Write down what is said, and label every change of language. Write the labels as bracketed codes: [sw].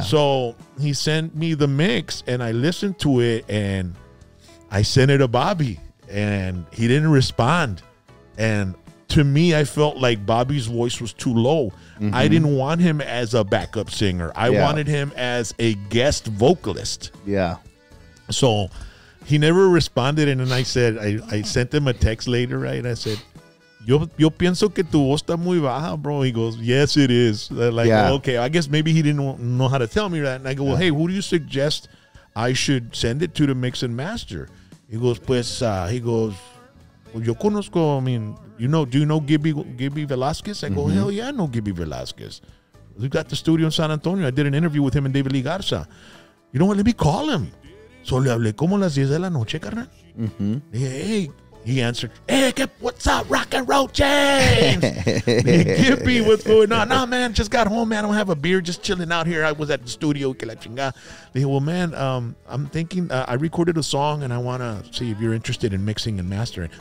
[en] So he sent me the mix and I listened to it and I sent it to Bobby and he didn't respond. And to me, I felt like Bobby's voice was too low. Mm-hmm. I didn't want him as a backup singer. I wanted him as a guest vocalist. Yeah. So he never responded. And then I said, I sent him a text later, right? I said, [es] yo pienso que tu voz está muy baja, bro. [en] He goes, yes, it is. Like, yeah. Okay, I guess maybe he didn't know how to tell me that. And I go, well, hey, who do you suggest I should send it to mix and master? He goes, pues, well, [es] yo conozco, [en] I mean, do you know Gibby Velasquez? I go, mm-hmm. hell yeah, I know Gibby Velasquez. We've got the studio in San Antonio. I did an interview with him and David Lee Garza. You know what? Let me call him. [es] So le hablé como las 10 de la noche, carnal. Mm-hmm. [en] He answered, hey, what's up, Rock and Roll James? Gibby, what's going on? Nah, man, just got home, man. I don't have a beer, just chilling out here. I was at the studio. They, well, man, I'm thinking, I recorded a song, and I want to see if you're interested in mixing and mastering.